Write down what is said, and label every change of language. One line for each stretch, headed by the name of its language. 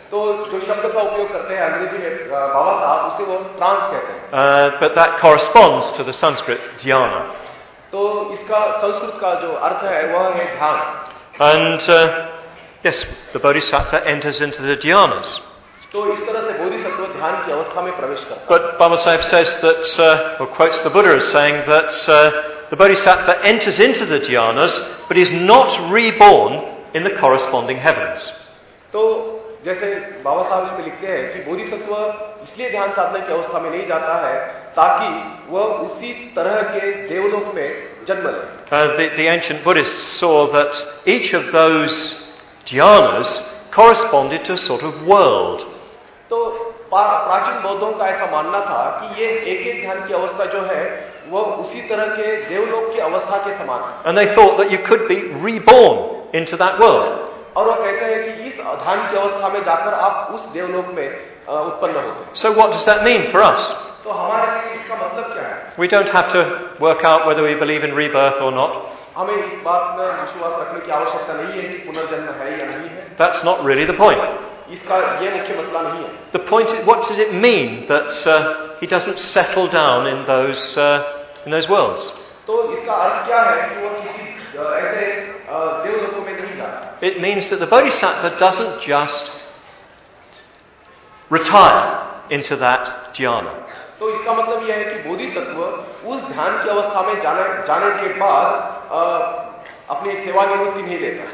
Hindi: तो जो शब्द का उपयोग करते हैं अंग्रेजी में बाबा साहब उसे वो ट्रांस कहते हैं.
English: But that corresponds to the Sanskrit dhyana.
Hindi: तो इसका संस्कृत का जो अर्थ है वह है ध्यान.
English: And yes, the bodhisattva enters into the dhyanas.
Hindi: तो इस तरह से बोधिसत्व ध्यान की अवस्था में प्रवेश करता है.
English: But Baba Sahib says that, or quotes the Buddha as saying that the bodhisattva enters into the dhyanas, but is not reborn in the corresponding heavens.
Hindi: तो जैसे बाबा साहब इसमें लिखते हैं कि बोधिसत्व इसलिए ध्यान साधना की अवस्था में नहीं जाता है ताकि वह उसी तरह के देवलोक में जन्म ले.
English: The ancient Buddhists saw that each of those dhyanas corresponded to a sort of world.
Hindi: तो प्राचीन बौद्धों का ऐसा मानना था कि ये एक एक ध्यान की अवस्था जो है वह उसी तरह के देवलोक की अवस्था के समान है.
English: And they thought that you could be reborn into that world.
Hindi: और वो कहते हैं कि इस ध्यान की अवस्था में जाकर आप उस देवलोक में उत्पन्न होते.
English: So what does that mean for us?
Hindi: तो हमारे लिए इसका मतलब क्या है?
English: We don't have to work out whether we believe in rebirth or not.
Hindi: हमें इस बात में विश्वास रखने की आवश्यकता नहीं है कि पुनर्जन्म है या नहीं है.
English: That's not really the point.
Hindi: इसका ये मुख्य मसला नहीं है.
English: The point is, what does it mean that he doesn't settle down in those worlds?
Hindi: तो इसका अर्थ क्या है कि वो किसी ऐसे देवलोकों में नहीं जाता.
English: It means that the bodhisattva doesn't just retire into that dhyana.
Hindi: तो इसका मतलब यह है कि बोधिसत्व उस ध्यान की अवस्था में जाने के बाद अपनी सेवा निवृत्ति नहीं लेता.